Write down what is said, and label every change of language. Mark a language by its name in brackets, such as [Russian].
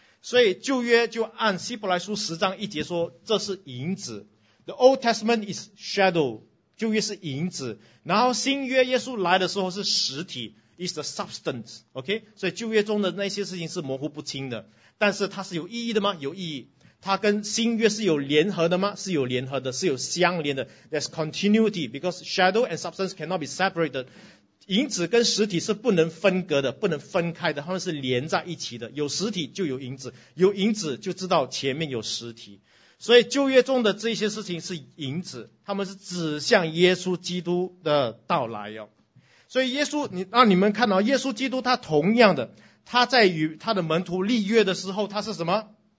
[Chinese] 所以旧约就按希伯来书10:1说，这是影子 ， [English] The Old Testament is shadow， [Chinese] 旧约是影子，然后新约耶稣来的时候是实体 ， [English] is the substance， [Chinese] OK， 所以旧约中的那些事情是模糊不清的，但是它是有意义的吗？有意义，它跟新约是有联合的吗？是有联合的，是有相连的 [English] ，there's continuity because shadow and substance cannot be separated。 [Chinese] 影子跟实体是不能分隔的，不能分开的，他们是连在一起的，有实体就有影子，有影子就知道前面有实体。所以旧约中的这些事情是影子，他们是指向耶稣基督的到来哦。所以耶稣，你让你们看到耶稣基督，他同样的，他在与他的门徒立约的时候，他是什么？